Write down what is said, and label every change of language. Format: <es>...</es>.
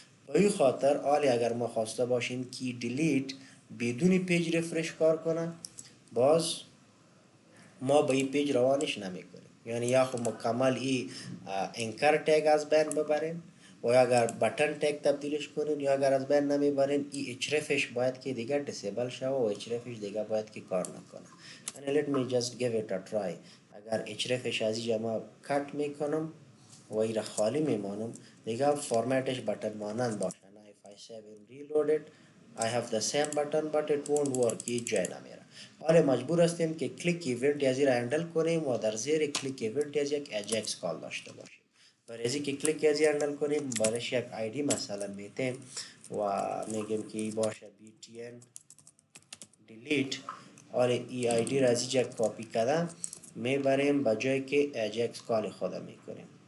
<fa>به این خاطر آلی اگر ما خواسته باشیم کی دیلیت بدون پیج ریفرش کار کنه، باز ما به این پیج روانش نمیکنیم. یعنی یا خود مکمل ای انکر تگ از بین ببریم و یا اگر بتن تگ تبدیلش کنیم، یا اگر از بین نمیبریم ای اچرفش باید که دیگه دیسیبل شوه و اچرفش دیگه باید که کار نکنه.</fa> <en>And let me just give it a try.</en> <fa>اگر HRFش از ایجا ما کٹ میکنم و ای را خالی میمانم دیگه فارمیتش بطن مانند باشه.</fa> <en>Now if I save and reload it I have the same button but it won't work.</en> <fa>یه جای نمیرا حالا مجبور استیم که click event یزی را handle کنیم و در زیر click event یزی یک Ajax call داشته باشیم. بر ازی که click یزی handle کنیم برش یک ID مثلا میتیم و میگیم که ای باشه btn delete اور ای آئی ڈی رازی جا کاپی کردم میبریم بجای که اجکس کال خود میکنیم.</fa>